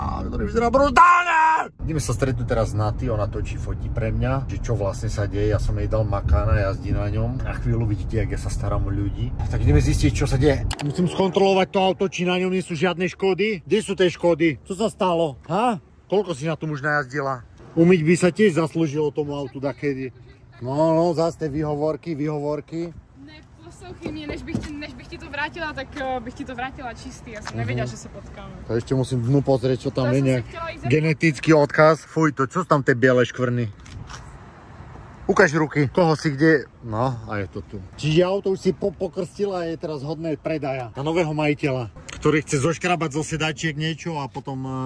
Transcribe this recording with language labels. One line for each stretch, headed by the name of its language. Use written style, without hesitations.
Slovak: Ktorý vyzerá brutálne! Ideme sa stretnúť teraz s Naty, ona točí, fotí pre mňa, že čo vlastne sa deje, ja som jej dal makána, jazdí na ňom. Na chvíľu vidíte, jak ja sa starám o ľudí. Tak ideme zistiť, čo sa deje. Musím skontrolovať to auto, či na ňom nie sú žiadne škody. Kde sú tie škody? Co sa stalo? Ha? Koľko si na tom už najazdila? Umyť by sa tiež zaslúžilo tomu autu dakedy. No, no, zás tie výhovorky, výhovorky.
Czech: Mne, než bych ti to vrátila, tak bych ti to vrátila čistý.
Slovak: Ja som nevedela, že sa potkáme. To ešte musím dnu pozrieť, čo tam je nejak genetický odkaz. Fuj, to čo sú tam tie biele škvrny? Ukáž ruky, koho si kde... No, a je to tu. Čiže auto už si pokrstila a je teraz hodné predaja. Na nového majiteľa, ktorý chce zoškrabať zo sedačiek niečo a potom...